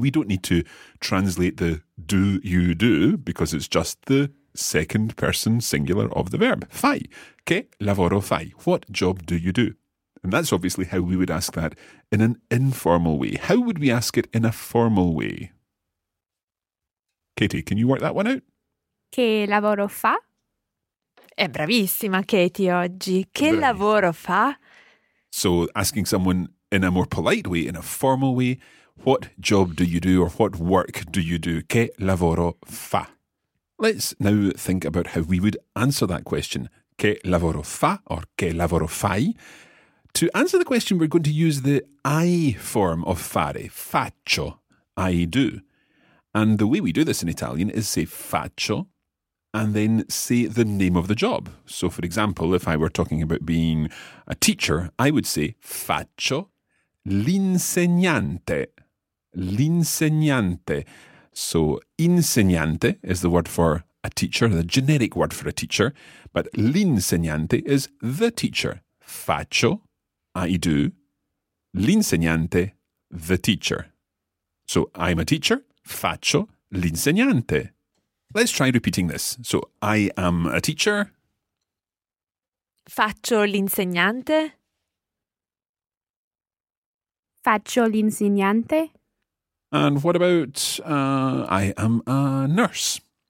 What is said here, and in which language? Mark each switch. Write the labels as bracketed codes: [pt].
[en] We don't need to translate the do you do because it's just the second person singular of the verb. Fai. [it] Che lavoro fai? [en] What job do you do? And that's obviously how we would ask that in an informal way. How would we ask it in a formal way? Katie, can you work that one out? [it] Che lavoro fa? È bravissima, Katie, oggi. Che bravissima. Lavoro fa? [en] So asking someone in a more polite way, in a formal way, what job do you do or what work do you do? [it] Che lavoro fa? [en] Let's now think about how we would answer that question. [it] Che lavoro fa or che lavoro fai? [en] To answer the question, we're going to use the I form of fare. Faccio, I do. And the way we do this in Italian is say faccio and then say the name of the job. So, for example, if I were talking about being a teacher, I would say [it] faccio l'insegnante. [en] L'insegnante. So insegnante is the word for a teacher, the generic word for a teacher. But l'insegnante is the teacher. Faccio, I do. L'insegnante, the teacher. So I'm a teacher. [it] Faccio l'insegnante. [en] Let's try repeating this. So, I am a teacher. [it] Faccio l'insegnante. Faccio l'insegnante. [en] And what about I am a nurse?